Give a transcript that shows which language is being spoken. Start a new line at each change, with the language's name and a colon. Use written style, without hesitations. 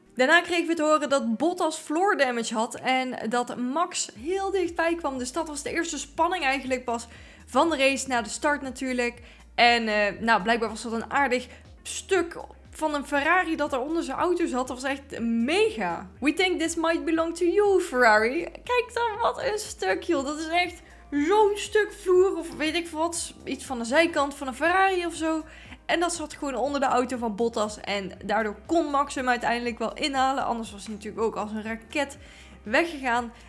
Dutch: Daarna kregen we te horen dat Bottas floor damage had. En dat Max heel dichtbij kwam. Dus dat was de eerste spanning eigenlijk pas van de race naar de start natuurlijk. En nou, blijkbaar was dat een aardig stuk van een Ferrari dat er onder zijn auto zat. Dat was echt mega.
English: We think this might belong to you, Ferrari.
Dutch: Kijk dan, wat een stuk, joh. Dat is echt zo'n stuk vloer of weet ik wat. Iets van de zijkant van een Ferrari of zo. En dat zat gewoon onder de auto van Bottas. En daardoor kon Max hem uiteindelijk wel inhalen. Anders was hij natuurlijk ook als een raket weggegaan.